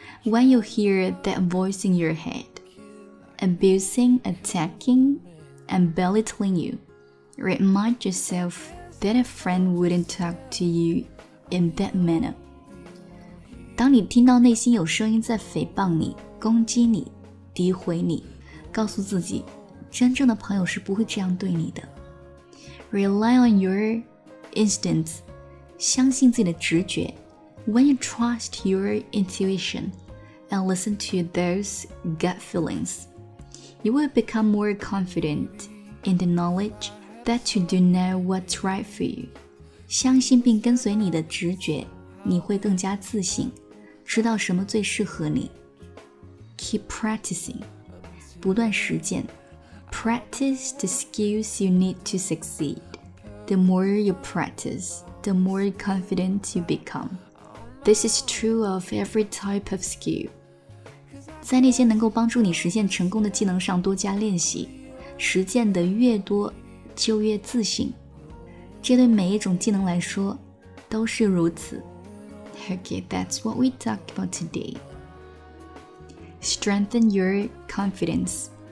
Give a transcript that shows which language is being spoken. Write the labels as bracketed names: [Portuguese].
[English] When you hear that voice in your headAbusing, attacking, and belittling you. Remind yourself that a friend wouldn't talk to you in that manner. [Chinese] 当你听到内心有声音在诽谤你、攻击你、诋毁你，告诉自己，真正的朋友是不会这样对你的。 [English] Rely on your instincts. [Chinese] 相信自己的直觉。 [English] When you trust your intuition and listen to those gut feelings,You will become more confident in the knowledge that you do know what's right for you. [Chinese] 相信并跟随你的直觉，你会更加自信，知道什么最适合你。 [English] Keep practicing. [Chinese] 不断实践。 [English] Practice the skills you need to succeed. The more you practice, the more confident you become. This is true of every type of skill. [Chinese] 在那些能够帮助你实现成功的技能上多加练习，实践的越多就越自信，这对每一种技能来说都是如此。 [English] Okay, that's what we talk about today. Strengthen your confidence.